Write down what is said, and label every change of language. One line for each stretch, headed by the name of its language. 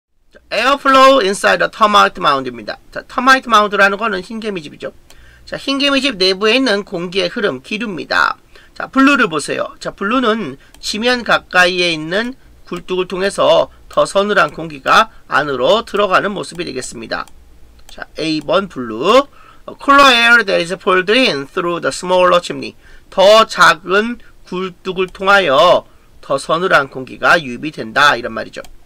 Korean: 자,
English: Airflow inside a termite mound
Korean: 입니다. 자, termite mound라는 거는 흰개미 집이죠. 자, 흰개미 집 내부에 있는 공기의 흐름, 기류입니다. 자, 블루를 보세요. 자, 블루는 지면 가까이에 있는 굴뚝을 통해서 더 서늘한 공기가 안으로 들어가는 모습이 되겠습니다. 자, A번 블루.
English: Cooler air that is pulled in through the smaller chimney.
Korean: 더 작은 굴뚝을 통하여 더 서늘한 공기가 유입된다. 이런 말이죠.